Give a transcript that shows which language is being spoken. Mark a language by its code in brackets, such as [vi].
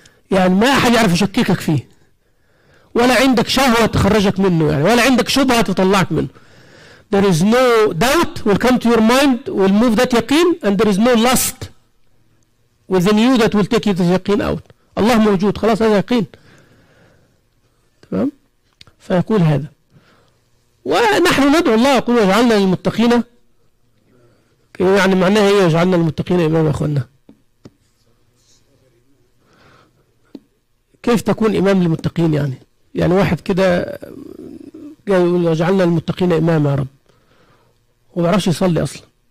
[ar] يعني ما أحد يعرف يشككك فيه. ولا عندك شهوة تخرجك منه يعني. ولا عندك شبهة تطلعك منه. [en] There is no doubt will come to your mind will move that يقين and there is no lust within you that will take this يقين out. [ar] الله موجود خلاص هذا يقين. تمام؟ فيقول هذا. ونحن ندعو الله يقول واجعلنا للمتقين يعني معناها ايه واجعلنا للمتقين إماما يا اخوانا؟ كيف تكون إمام للمتقين يعني؟ يعني واحد كده جاي يقول واجعلنا للمتقين إماما يا رب. هو ما بيعرفش يصلي اصلا.